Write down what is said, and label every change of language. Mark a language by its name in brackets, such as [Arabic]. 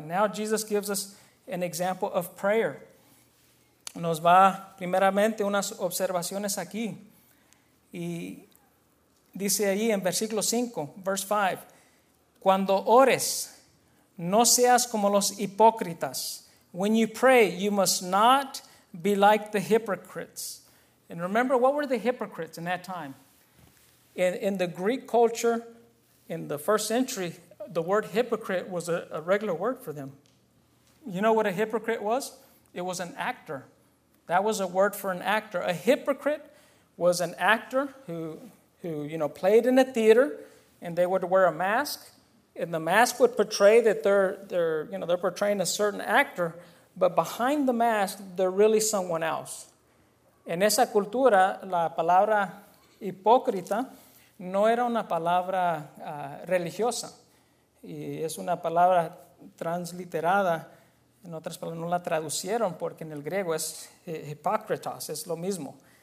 [English] Now Jesus gives us an example of prayer. [Spanish] Nos va primeramente unas observaciones aquí. Y dice ahí en versículo 5, [English] verse 5, [Spanish] cuando ores, no seas como los hipócritas. [English] When you pray, you must not be like the hypocrites. And remember, what were the hypocrites in that time? In the Greek culture, in the first century, the word hypocrite was a regular word for them. You know what a hypocrite was? It was an actor. That was a word for an actor. A hypocrite was an actor who you know, played in a theater, and they would wear a mask. And the mask would portray that they're portraying a certain actor, but behind the mask, they're really someone else. [Spanish] En esa cultura, la palabra hipócrita no era una palabra religiosa. Y es una palabra transliterada. En otras palabras, no la traducieron porque en el griego es hipócritas, es lo mismo.